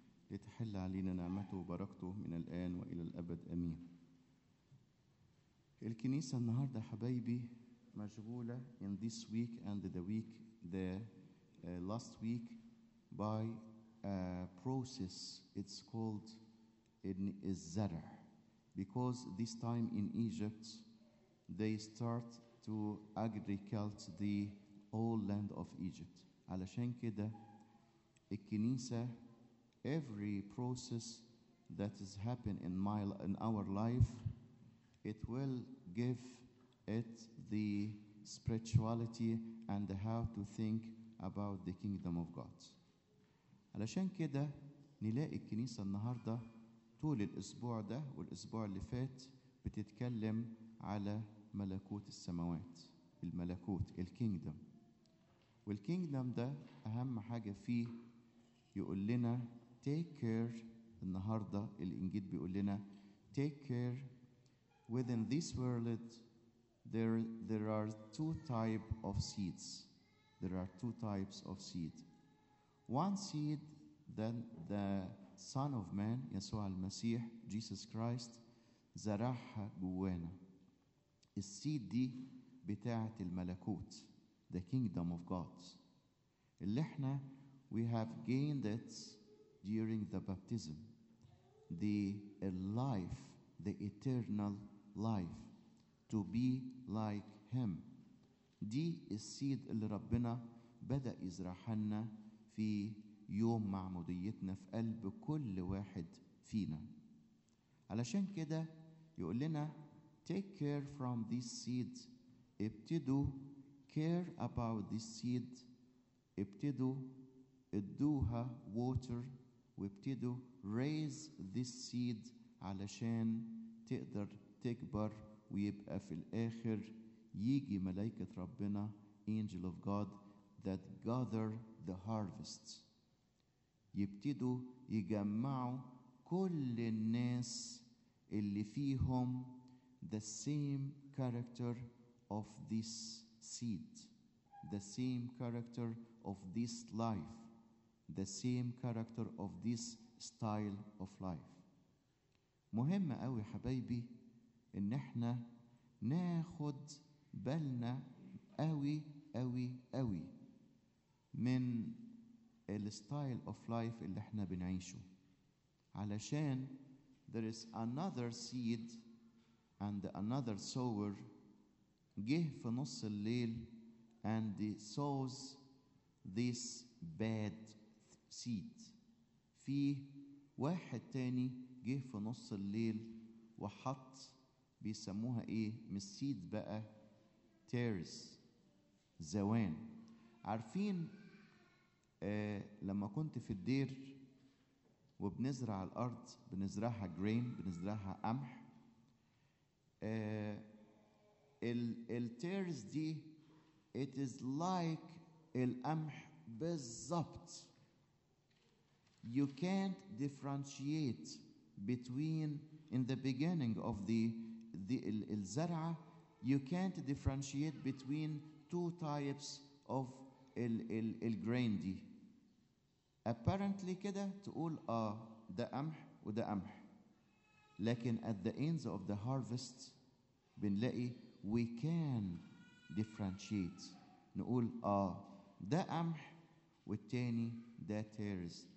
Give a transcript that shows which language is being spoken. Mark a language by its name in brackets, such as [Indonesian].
[Arabic] لتحل علينا نعمته وبركته من الآن وإلى الأبد أمين. الكنيسة النهاردة حبايبي مشغولة [English] in this week and the week the last week by a process it's called in الزرع, because this time in Egypt they start to agriculture the whole land of Egypt. [Arabic] علشان كده الكنيسة [English] every process that has happened in my in our life, it will give it the spirituality and the how to think about the kingdom of God. [Arabic] علشان كده نلاقي الكنيسة النهاردة طول الأسبوع ده والأسبوع اللي فات بتتكلم على ملكوت السماوات, الملكوت, الكينغدم. والكينغدم ده أهم حاجة فيه يقول لنا [English] take care. [Arabic] النهاردة الإنجيل بيقول لنا [English] take care. Within this world there are two type of seeds. There are two types of seed. One seed that the Son of Man, يسوع المسيح, Jesus Christ, [Arabic] زرعها جوانا. السيد دي بتاعة الملكوت, [English] the kingdom of God. [Arabic] اللي احنا [English] we have gained it during the baptism, the life, the eternal life, to be like him. [Arabic] دي السيد اللي ربنا بدأ يزرعهالنا في يوم معموديتنا في قلب كل واحد فينا. علشان كده يقول لنا [English] take care from this seed. [Arabic] ابتدوا [English] care about this seed. [Arabic] ابتدوا ادوها water. وابتدوا [English] raise this seed [Arabic] علشان تقدر تكبر ويبقى في الآخر يجي ملائكة ربنا [English] angel of God that gather the harvest. [Arabic] يبتدوا يجمعوا كل الناس اللي فيهم [English] the same character of this seed, the same character of this life, the same character of this style of life. [Arabic] مهم قوي حبايبي ان احنا ناخد بالنا قوي قوي قوي من [English] الستايل of life [Arabic] اللي احنا بنعيشه, علشان [English] there is another seed and another sower [Arabic] جه في نص الليل [English] and sows this bad seed. [Arabic] في واحد تاني جه في نص الليل وحط بيسموها ايه من السيد بقى تيرس زوان. عارفين لما كنت في الدير وبنزرع الارض بنزرعها جرين بنزرعها قمح, التيرس دي [English] it is like [Arabic] القمح بالضبط. [English] You can't differentiate between in the beginning of the الزرعة, you can't differentiate between two types of ال grain دي. [Arabic] Apparently كده تقول ده قمح وده قمح, لكن [English] at the end of the harvest [Arabic] بنلاقي [English] we can differentiate, [Arabic] نقول ده قمح والتاني ده تيرز.